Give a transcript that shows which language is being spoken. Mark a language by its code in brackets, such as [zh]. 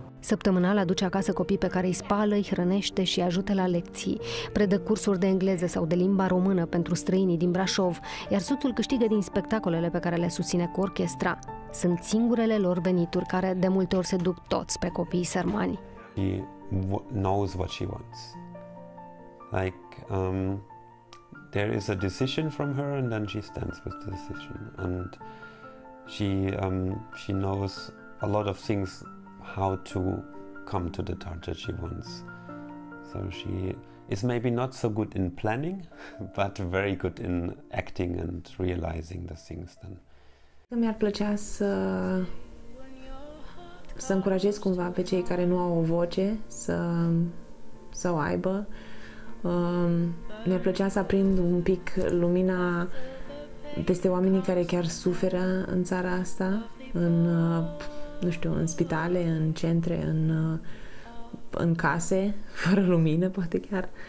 [ro] Săptămânal aduce acasă copii pe care îi spală, îi hrănește și îi ajută la lecții. Predă cursuri de engleză sau de limba română pentru străinii din Brașov, iar soțul câștigă din spectacolele pe care le susține cu orchestra. Sunt singurele lor venituri care de multe ori se duc toți pe copiii sărmani. [en] He knows what she wants. Like, there is a decision from her and then she stands with the decision. And she knows a lot of things how to come to the target she wants. So she is maybe not so good in planning, but very good in acting and realizing the things then. [ro] Mi-ar plăcea să să încurajez cumva pe cei care nu au o voce să o aibă. Mi-ar plăcea să aprind un pic lumina peste oamenii care chiar suferă în țara asta, în, nu știu, în spitale, în centre, în case, fără lumină, poate chiar.